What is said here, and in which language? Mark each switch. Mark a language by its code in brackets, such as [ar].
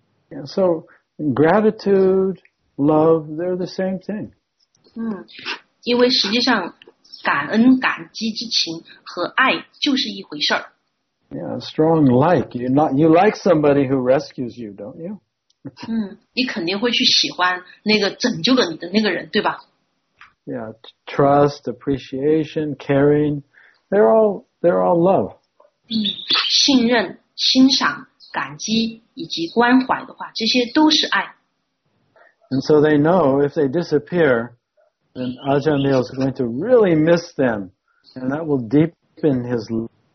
[en] Yeah, so gratitude, love, they're the same thing. [zh] 因为实际上感恩感激之情和爱就是一回事儿。 [en] Yeah, strong like. You like somebody who rescues you, don't you? [zh] 你肯定会去喜欢那个拯救了你的那个人，对吧？ [en] Yeah, trust, appreciation, caring, they're all love. [zh] 信任、欣赏、感激以及关怀的话，这些都是爱。 [en] And so they know if they disappear, then Ajahn Mill is going to really miss them, and that will deepen his love.